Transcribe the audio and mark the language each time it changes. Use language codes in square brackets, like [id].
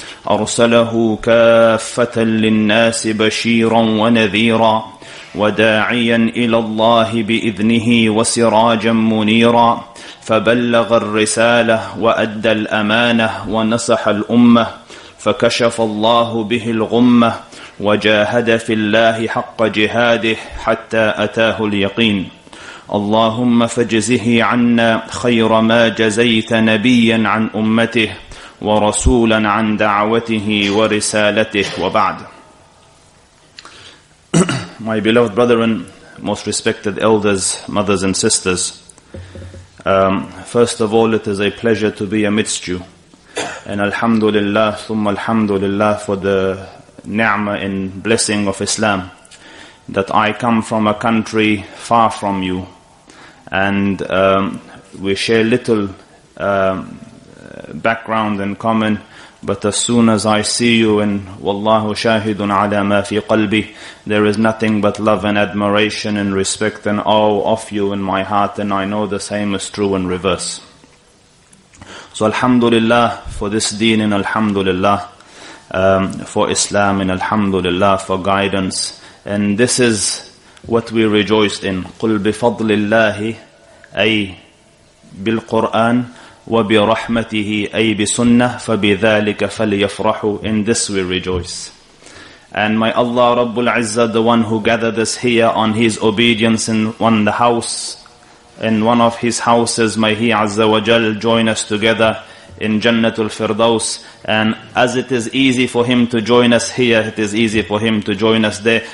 [ar] أرسله كافة للناس بشيرا ونذيرا وداعيا إلى الله بإذنه وسراجا منيرا فبلغ الرسالة وأدى الأمانة ونصح الأمة فكشف الله به الغمة وجاهد في الله حق جهاده حتى أتاه اليقين اللهم فاجزه عنا خير ما جزيت نبيا عن أمته ورسولا عن دعوته ورسالته وبعد. [en] My beloved brethren, most respected elders, mothers and sisters, first of all, it is a pleasure to be amidst you. And alhamdulillah, [ar] ثم [en] alhamdulillah for the ni'mah and blessing of Islam, that I come from a country far from you, and we share little background in common, but as soon as I see you, and wallahu shahidun ala ma fi qalbi, there is nothing but love and admiration and respect and awe of you in my heart, and I know the same is true in reverse. So alhamdulillah for this deen, and alhamdulillah for Islam, and alhamdulillah for guidance. And this is what we rejoice in. [ar] قُلْ بِفَضْلِ اللَّهِ أي بالقرآن وبرحمته أي بسنة فبذلك فليفرحوا. [en] In this we rejoice. And my Allah Rabbul Izzah, the one who gathered us here on His obedience in one the house, in one of His houses, may He Azza wa Jal join us together in Jannatul Firdaus. And as it is easy for Him to join us here, it is easy for Him to join us there.